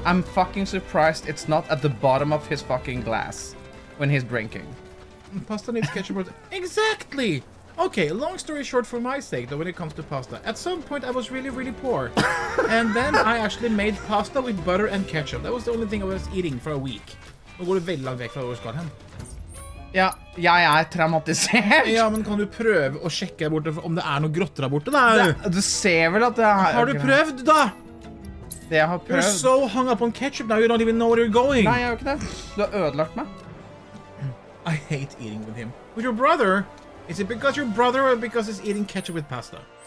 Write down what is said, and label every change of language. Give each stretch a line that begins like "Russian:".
English: I'm fucking surprised it's not at the bottom of his fucking glass when he's drinking. Pasta needs ketchup, butter. Exactly! Okay, long story short for my sake, though, when it comes to pasta, at some point I was really, really poor. And then I actually made pasta with butter and ketchup. That was the only thing I was eating for a week.
Norwegian: Nå går det veldig langt vekk fra hvor skal han. Ja, jeg er traumatisert. Ja, men kan du prøve å sjekke borte om det er noe grått der borte da? Du ser vel at det er... Har du prøvd da? Det jeg har prøvd.
English: You're so hung up on ketchup now, you don't even know where you're going.
Norwegian: Nei, jeg har ikke det. Du har ødelagt meg.
English: I hate eating with him. With your brother? Is it because your brother or because he's eating ketchup with pasta?